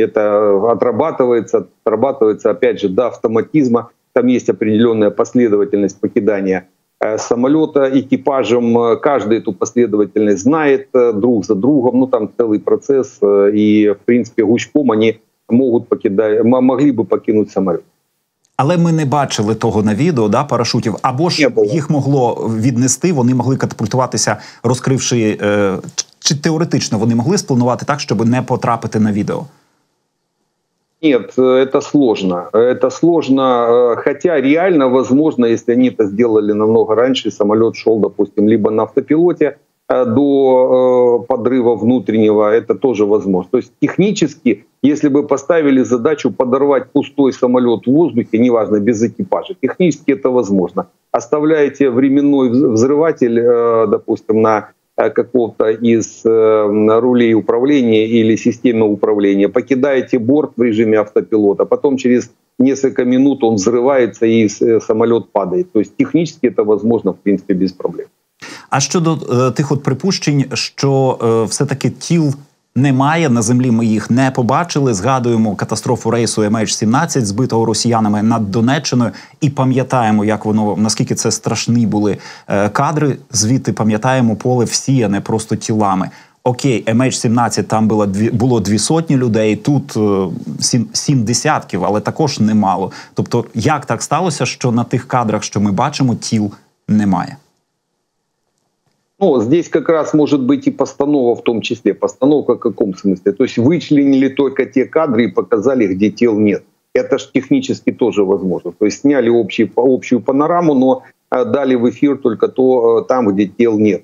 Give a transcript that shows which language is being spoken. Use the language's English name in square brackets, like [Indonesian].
[Russian] Это отрабатывается, опять же, до автоматизма, там есть определенная последовательность покидания самолета экипажем, каждый эту последовательность знает друг за другом, ну там целый процесс, и в принципе гуськом они могли бы покинуть самолет. [Ukrainian] Але ми не бачили того на відео, да, парашутів, або ж їх могло віднести, вони могли катапультуватися, розкривши, чи теоретично вони могли спланувати так, щоб не потрапити на відео? [Russian] Нет, это сложно. Это сложно, хотя реально возможно, если они это сделали намного раньше, самолет шел, допустим, либо на автопилоте до подрыва внутреннего, это тоже возможно. То есть технически, если бы поставили задачу подорвать пустой самолет в воздухе, неважно, без экипажа, технически это возможно. Оставляете временной взрыватель, допустим, на какого-то из рулей управления или системы управления, покидаете борт в режиме автопилота, потом через несколько минут он взрывается и самолет падает. То есть технически это возможно, в принципе, без проблем. [Ukrainian] А щодо тих от припущень, що все-таки тіл немає, на землі ми їх не побачили, згадуємо катастрофу рейсу MH17, збитого росіянами над Донеччиною, і пам'ятаємо, як воно, наскільки це страшні були кадри, звідти пам'ятаємо поле всіяне просто тілами. Окей, MH17, там було 200 людей, тут 7 десятків, але також немало. Тобто, як так сталося, що на тих кадрах, що ми бачимо, тіл немає? [Russian] Ну, здесь как раз может быть и постанова в том числе. Постановка в каком смысле? То есть вычленили только те кадры и показали, где тел нет. Это же технически тоже возможно. То есть сняли общую панораму, но дали в эфир только то, там, где тел нет.